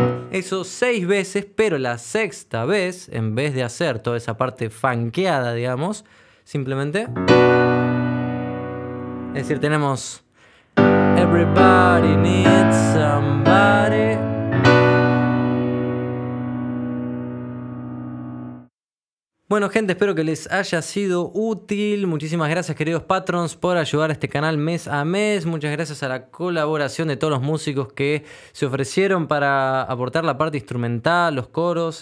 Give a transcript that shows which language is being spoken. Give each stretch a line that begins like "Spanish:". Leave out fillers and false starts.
Spanish: Eso 6 veces, pero la sexta vez, en vez de hacer toda esa parte funkeada, digamos, simplemente... Es decir, tenemos...
English: Everybody needs somebody.
Spanish: Bueno, gente, espero que les haya sido útil. Muchísimas gracias, queridos patrons, por ayudar a este canal mes a mes. Muchas gracias a la colaboración de todos los músicos que se ofrecieron para aportar la parte instrumental, los coros.